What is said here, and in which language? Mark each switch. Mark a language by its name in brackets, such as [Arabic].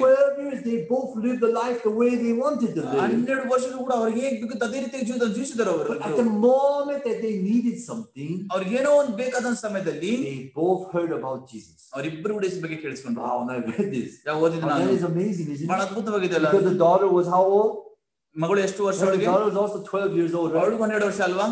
[English] 12 years they both lived the life the way they wanted to live. [Kannada] 12 ವರ್ಷಗಳು ಕೂಡ ಅವರಿಗೆ ಹೇಗೆ ಬೇಕು ಅದೇ ರೀತಿ ಜೀವನ ಜೀವಿಸಿದರು ಅವರು. [English] At the moment that they needed something. [Kannada] ಅವರಿಗೆ ಏನೋ ಒಂದು ಬೇಕಾದ ಸಮಯದಲ್ಲಿ. [English] They both heard about Jesus. [Kannada] ಅವರಿಬ್ಬರು ಕೂಡ ಯೇಸು ಬಗ್ಗೆ ಕೇಳಿಸಿಕೊಂಡ್ರು. [English] Wow, and I read this. [Kannada] ಯಾವ ಓದಿದ್ದೆ ನಾನು. [English] It's amazing, isn't it? [Kannada] ಬಹಳ ಅದ್ಭುತವಾಗಿದೆ ಅಲ್ಲ. [English] Because the daughter was how old? [Kannada] ಮಗಳು ಎಷ್ಟು ವರ್ಷ ಅವಳಿಗೆ 12 ವರ್ಷ ಅಲ್ವಾ.